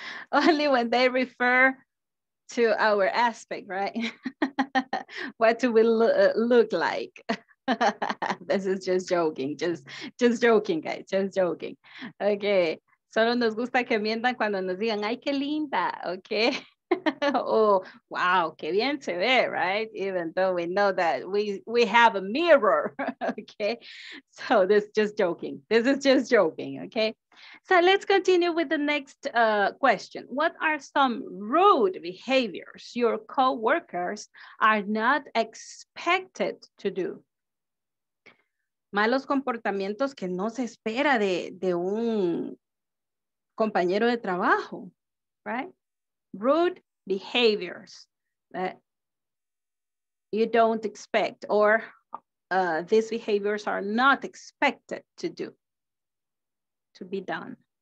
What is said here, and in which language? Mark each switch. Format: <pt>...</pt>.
<en>Only when they refer to our aspect, right? What do we look like? This is just joking, just joking, guys, just joking.</en> <es>Okay, solo nos gusta que mientan cuando nos digan, ay, qué linda, okay? Oh, wow, qué bien se ve, right?</es> <en>Even though we know that we have a mirror, okay? So this is just joking. This is just joking, okay? So let's continue with the next question. What are some rude behaviors your coworkers are not expected to do?</en> <es>Malos comportamientos que no se espera de un compañero de trabajo, right?</es> <en>Rude behaviors that you don't expect, or these behaviors are not expected to do, to be done.</en>